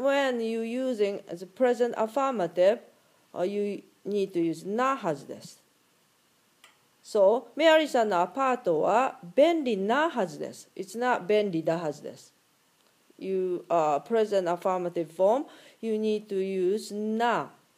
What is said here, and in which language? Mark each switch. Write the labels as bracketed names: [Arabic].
[English] When you're using as a present affirmative, you need to use [Japanese] なはずです。 So, メアリーさんのアパートは便利なはずです。 [English] It's not [Japanese] 便利だはずです。 [English] You present affirmative form, you need to use na.